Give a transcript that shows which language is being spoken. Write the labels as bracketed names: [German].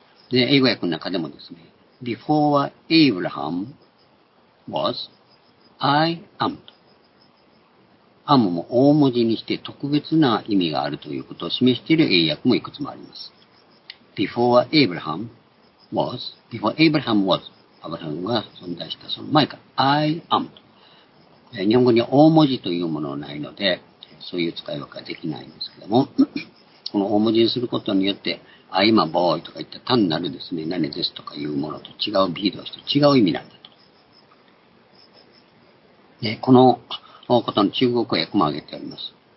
[Japanese] で、英語訳の中でもですね、 [English] Before Abraham was, I am. [Japanese] アムも大文字にして特別な意味があるということを示している英訳もいくつもあります。 [English] Before Abraham was, before Abraham was, [Japanese] アブラハムが存在したその前から、 [English] I am。 [Japanese] 日本語には大文字というものはないので、そういう使い分けはできないんですけども、この大文字にすることによって、 [English] I'm a boy [Japanese] とか言った単なるですね、何ですとかいうものと違う B 同士と違う意味なんだと。で、この、ことの中国訳も挙げております。